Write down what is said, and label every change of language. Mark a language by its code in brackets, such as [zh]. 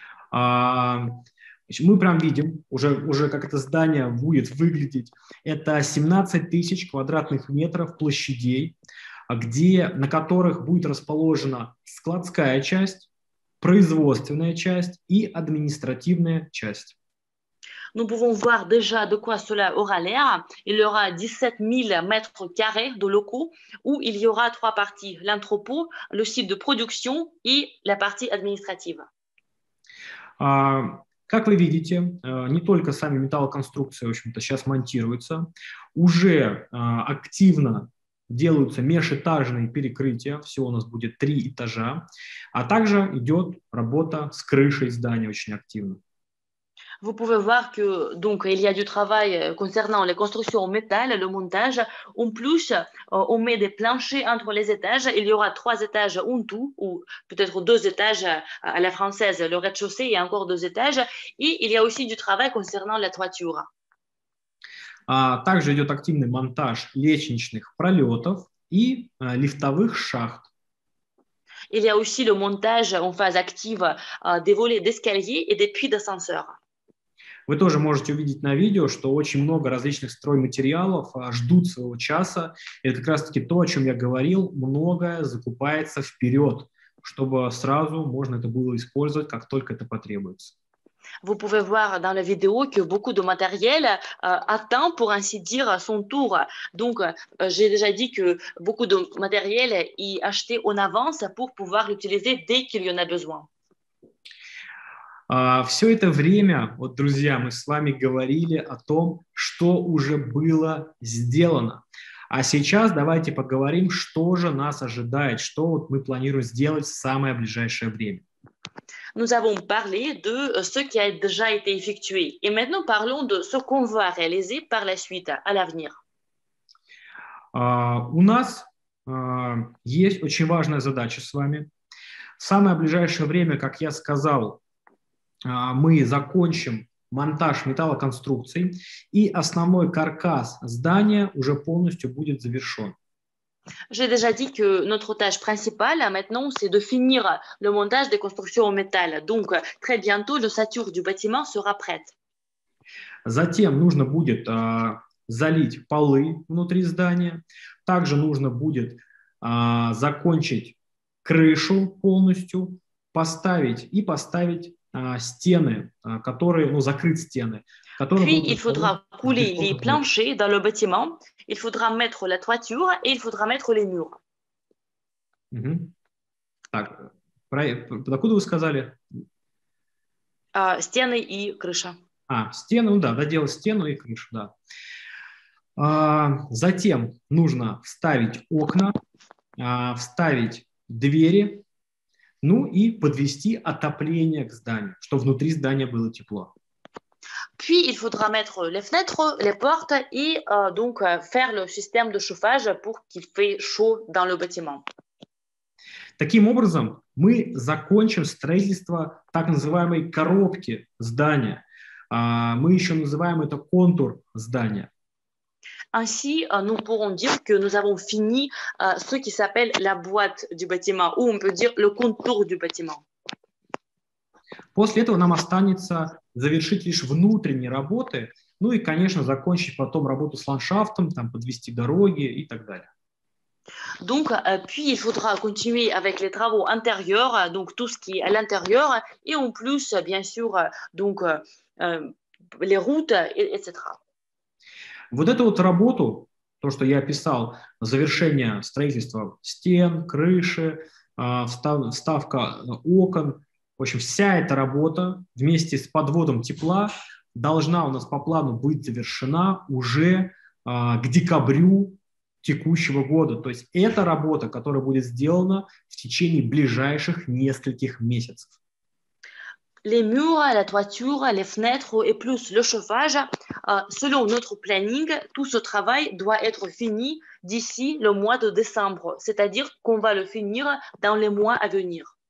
[ru] Мы прям видим, уже как это здание будет выглядеть. Это 17 тысяч квадратных метров площадей, на которых будет расположена складская часть, производственная часть и административная часть. [fr] Nous pouvons voir déjà de quoi cela aura l'air. Il y aura 17 000 mètres carrés de locaux où il y aura trois parties. L'entrepôt, le site de production et la partie administrative. [ru] Как вы видите, не только сами металлоконструкции, в общем-то, сейчас монтируются, уже активно делаются межэтажные перекрытия, всего у нас будет три этажа, а также идет работа с крышей здания очень активно. [fr] Vous pouvez voir que donc il y a du travail concernant les constructions en métal, le montage. En plus, on met des planchers entre les étages. Il y aura trois étages en tout, ou peut-être deux étages à la française, le rez-de-chaussée et encore deux étages. Et il y a aussi du travail concernant la toiture. [ru] Также идет активный монтаж лестничных пролетов и лифтовых шахт. [fr] Il y a aussi le montage en phase active des volets d'escalier et des puits d'ascenseur. [ru] Вы тоже можете увидеть на видео, что очень много различных стройматериалов ждут своего часа. Это как раз-таки то, о чем я говорил. Многое закупается вперед, чтобы сразу можно это было использовать, как только это потребуется. [fr] Vous pouvez voir dans la vidéo que beaucoup de matériel attend, pour ainsi dire, son tour. Donc, j'ai déjà dit que beaucoup de matériel est acheté en avance pour pouvoir l'utiliser dès qu'il y en a besoin. [ru] Все это время, вот, друзья, мы с вами говорили о том, что уже было сделано. А сейчас давайте поговорим, что же нас ожидает, что вот мы планируем сделать в самое ближайшее время. [fr] Nous avons parlé de ce qui a déjà été effectué. Et maintenant parlons de ce qu'on va réaliser par la suite, à l'avenir. [ru] У нас есть очень важная задача с вами. В самое ближайшее время, как я сказал, мы закончим монтаж металлоконструкций, и основной каркас здания уже полностью будет завершен. [fr] J'ai déjà dit que notre tâche principale maintenant, c'est de finir le montage des constructions en métal. Donc, très bientôt, l'ossature du bâtiment sera prête. [ru] Затем нужно будет залить полы внутри здания. Также нужно будет закончить крышу полностью, поставить и поставить стены, которые, ну, закрыть стены. [fr] Puis il faudra couler les planchers dans le bâtiment, il faudra mettre la toiture et il faudra mettre les murs. [ru] Mm-hmm. Так, откуда вы сказали? Стены и крыша. А, стены, ну да, доделать стену и крышу, да. Затем нужно вставить окна, вставить двери, ну и подвести отопление к зданию, чтобы внутри здания было тепло. [fr] Puis il faudra mettre les fenêtres, les portes et donc faire le système de chauffage pour qu'il fait chaud dans le bâtiment. [ru] Таким образом, мы закончим строительство так называемой коробки здания. Мы еще называем это контур здания. [fr] Ainsi, nous pourrons dire que nous avons fini ce qui s'appelle la boîte du bâtiment, ou on peut dire le contour du bâtiment. [ru] После этого нам останется завершить лишь внутренние работы, ну и, конечно, закончить потом работу с ландшафтом, там подвести дороги и так далее. [fr] Donc, puis il faudra continuer avec les travaux intérieurs, donc tout ce qui est à l'intérieur, et en plus, bien sûr, donc les routes, etc. [ru] Вот эту вот работу, то, что я описал, завершение строительства стен, крыши, вставка окон, в общем, вся эта работа вместе с подводом тепла должна у нас по плану быть завершена уже к декабрю текущего года. То есть это работа, которая будет сделана в течение ближайших нескольких месяцев. [fr] Les murs, la toiture, les fenêtres et plus le chauffage, selon notre planning, tout ce travail doit être fini d'ici le mois de décembre, c'est-à-dire qu'on va le finir dans les mois à venir.